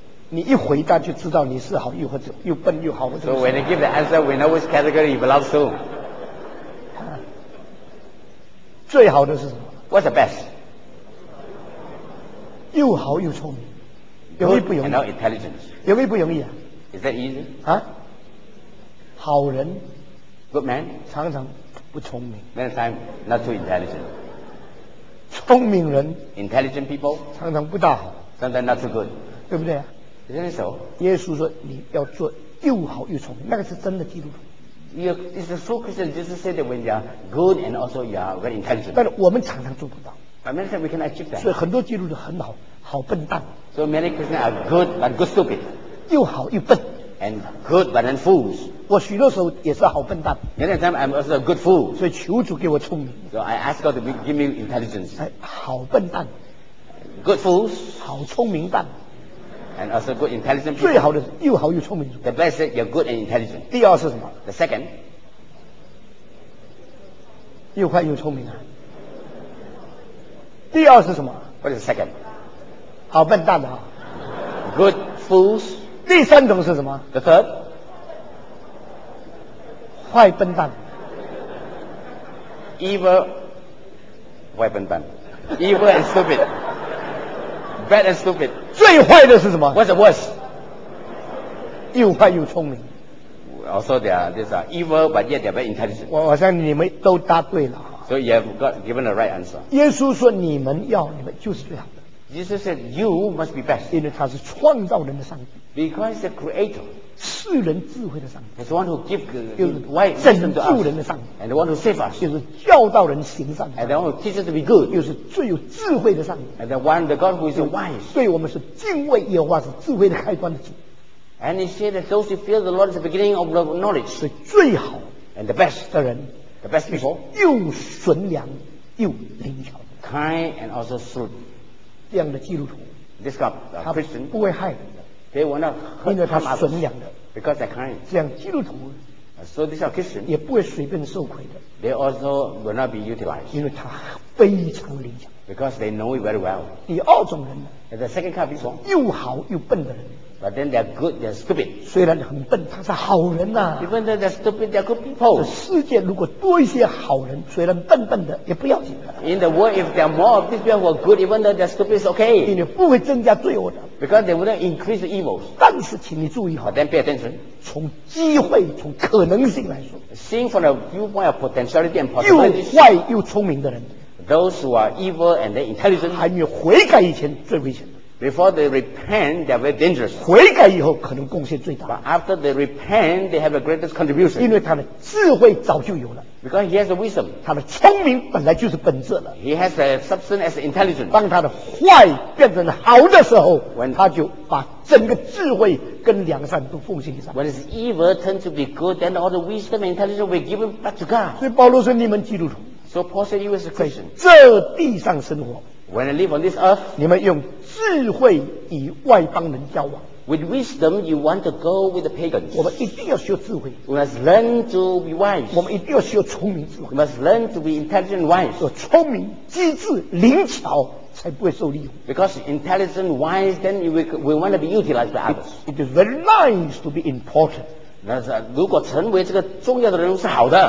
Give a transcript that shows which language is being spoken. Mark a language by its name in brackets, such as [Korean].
[Chinese] 你一回答就知道你是好又或者又笨又好或者。 [English] So when you give the answer, we know which category you belong to. [Chinese] 最好的是什么？ [English] What's the best? [Chinese] 又好又聪明。容易不容易？ [English] And not intelligence. [Chinese] 容易不容易啊？ [English] Is that easy? [Chinese] 啊？好人。 [English] Good man. [Chinese] 常常不聪明。 [English] Many times not too intelligent. [Chinese] 聪明人。 [English] Intelligent people. [Chinese] 常常不大好。 [English] Sometimes not too good. [Chinese] 对不对啊？ [English] Isn't it so? [Chinese] 耶稣说你要做又好又聪明，那个是真的基督徒。 [English] It's a true Christian. Jesus said that when you are good and also you are very intelligent. [Chinese] 但我们常常做不到。 [English] But many times we can achieve that. [Chinese] 所以很多基督徒很好，好笨蛋。 [English] So many Christians are good but good stupid. [Chinese] 又好又笨。 [English] And good but then fools. [Chinese] 我许多时候也是好笨蛋。 [English] Many times I'm also a good fool. [Chinese] 所以求主给我聪明。 [English] So I ask God to give me intelligence. [Chinese] 好笨蛋。 [English] Good fools. [Chinese] 好聪明蛋。 [English] And also good intelligent people. [Chinese] 最好的又好又聪明。 [English] The best is you're good and intelligent. [Chinese] 第二是什么？ [English] The second. [Chinese] 又快又聪明啊。第二是什么？ [English] What is the second? [Chinese] 好笨蛋啊 [English] Good fools [Chinese] 第三种是什么 [English] The third [Chinese] 坏笨蛋 [English] Evil [Chinese] 坏笨蛋 [English] Evil and stupid Bad and stupid [Chinese] 最坏的是什么 [English] What's the worst [Chinese] 又坏又聪明 [English] Also they are, these are evil but yet they are very intelligent [Chinese] 我想你们都答对了 [English] So you have got given the right answer [Chinese] 耶稣说你们要你们就是这样 [English] Jesus said, "You must be best." [Chinese] 因为他是创造人的上帝。 [English] Because the creator, [Chinese] 世人智慧的上帝。 [English] He's the one who gives wisdom to us. [Chinese] 拯救人的上帝。 [English] And the one who saves us. [Chinese] 就是教导人行善。 [English] And the one who teaches to be good. [Chinese] 又是最有智慧的上帝。 [English] And the one, the God who is wise. [Chinese] 对我们是敬畏耶和华是智慧的开端的主。 [English] And he said that those who fear the Lord is the beginning of the knowledge. [Chinese] 是最好。 [English] And the best [Chinese] 的人。 [English] The best people. [Chinese] 又纯良又灵巧。 [English] Kind and also shrewd. [Chinese] 这样的基督徒 [English] This kind of Christian, [Chinese] 他不会害人的 [English] they will not hurt [Chinese] 因为他纯良的 [English] because they're kind. [Chinese] 这样基督徒 [English] so these are Christian, [Chinese] 也不会随便受亏的 [English] they also will not be utilized. [Chinese] 因为他非常灵巧 [English] because they know it very well. [Chinese] 第二种人 [English] the second kind of people, [Chinese] 又好又笨的人 [English] but then they're good, they're stupid. [Chinese] 虽然很笨他是好人啊 [English] even though they're stupid, they're good people. [Chinese] 这世界如果多一些好人虽然笨笨的也不要紧 [English] In the world, if there are more of these people who are good, even though they're stupid, it's okay. [Chinese] 因为不会增加罪恶的。 [English] Because they wouldn't increase the evils. [Chinese] 但是请你注意好。 [English] But then pay attention. [Chinese] 从机会、从可能性来说。 [English] Seeing from the viewpoint of potentiality and possibilities. [Chinese] 又坏又聪明的人。 [English] Those who are evil and they're intelligent. [Chinese] 还没有悔改以前最危险。 [English] Before they repent, they're very dangerous. [Chinese] 悔改以后可能贡献最大。 [English] But after they repent, they have the greatest contribution. [Chinese] 因为他的智慧早就有了。 [English] Because he has the wisdom. [Chinese] 他的聪明本来就是本质了。 [English] He has a substance as intelligence. [Chinese] 当他的坏变成好的时候 when, 他就把整个智慧跟良善都奉献给上。 [English] When his evil turns to be good, then all the wisdom and intelligence will be given back to God. [Chinese] 所以保罗说你们基督徒。 [English] So Paul said you as a Christian. [Chinese] 这地上生活。 [English] When I live on this earth, [Chinese] 你们用智慧与外邦人交往。 [English] With wisdom, you want to go with the pagans. [Chinese] 我们一定要学智慧。 [English] We must learn to be wise. [Chinese] 我们一定要学聪明智慧。 [English] We must learn to be intelligent, wise. [Chinese] 要聪明、机智、灵巧，才不会受利用。 [English] Because intelligent, wise, then we want to be utilized by others. It is very nice to be important. [Chinese] 那是如果成为这个重要的人是好的。